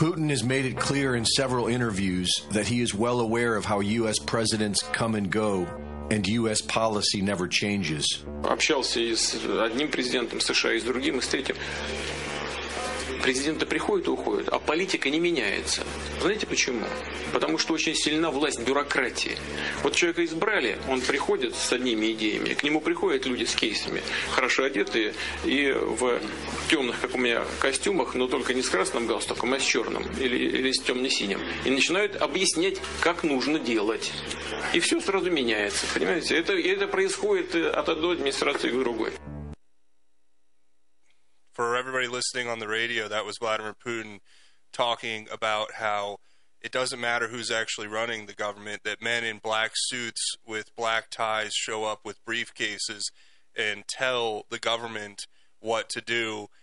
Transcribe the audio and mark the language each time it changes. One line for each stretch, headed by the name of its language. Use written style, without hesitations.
English: Has made it clear in several interviews that he is well aware of how U.S. presidents come and go, and U.S. policy never changes.
Russian: Общался с одним президентом США и с другим, и с третьим. Президенты приходят и уходят, а политика не меняется. Знаете почему? Потому что очень сильна власть бюрократии. Вот человека избрали, он приходит с одними идеями, к нему приходят люди с кейсами, хорошо одетые и в темных, как у меня, костюмах, но только не с красным галстуком, а с черным или с темно-синим. И начинают объяснять, как нужно делать. И все сразу меняется, понимаете? Это происходит от одной администрации к другой.
English: For everybody listening on the radio, that was Vladimir Putin talking about how it doesn't matter who's actually running the government, that men in black suits with black ties show up with briefcases and tell the government what to do.